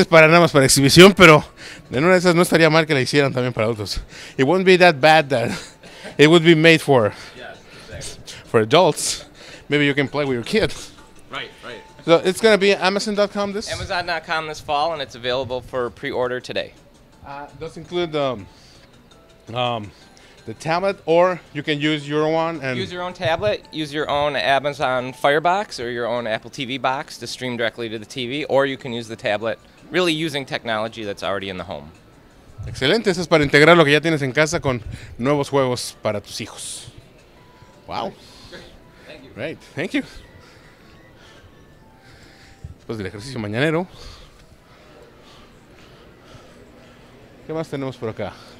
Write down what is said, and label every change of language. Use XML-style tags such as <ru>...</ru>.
<es>es para nada más para exhibición, pero en una de esas no estaría mal que la hicieran también para adultos.</es> <en>It wouldn't be that bad that it would be made for for adults. Maybe you can play with your kids. Right. So it's going to be Amazon.com this? Amazon.com this fall, and it's available for pre-order today. Does include the tablet, or you can use your one and use your own tablet, use your own Amazon Firebox or your own Apple TV box to stream directly to the TV, or you can use the tablet really using technology that's already in the home.</en> <es>Excelente, eso es para integrar lo que ya tienes en casa con nuevos juegos para tus hijos.</es> <en>Wow. Great. Thank you. Great. Thank you.</en> <es>después del ejercicio mañanero. ¿Qué más tenemos por acá?</es>